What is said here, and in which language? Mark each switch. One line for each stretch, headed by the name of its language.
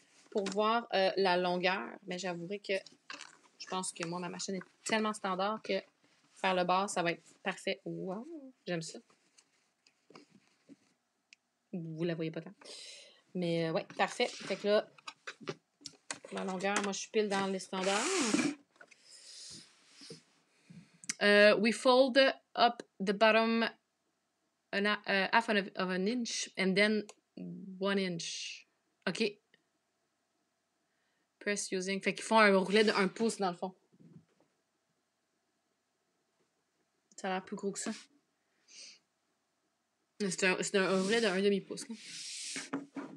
French: Pour voir la longueur, mais j'avouerai que je pense que moi, ma machine est tellement standard que faire le bord, ça va être parfait. Wow! J'aime ça. Vous la voyez pas tant. Mais ouais, parfait. Fait que là, pour la longueur, moi, je suis pile dans les standards.
English: We fold up the bottom half of an inch and then one inch. OK. Press using.
French: Fait qu'ils font un roulet de 1 pouce dans le fond. Ça a l'air plus gros que ça. C'est un vrai de 1/2 pouce. Hein.